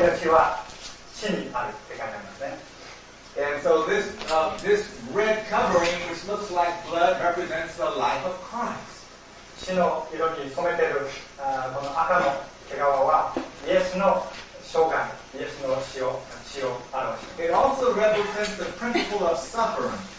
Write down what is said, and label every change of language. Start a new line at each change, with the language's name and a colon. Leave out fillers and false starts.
Japanese: は地にあるって書いてありますね。
English: And so this,、this red covering, which looks like blood, represents the life of Christ.
Japanese: 血の色に染めている、この赤の毛皮はイエスの生涯、イエスの血を表しています。
English: It also represents the principle of suffering.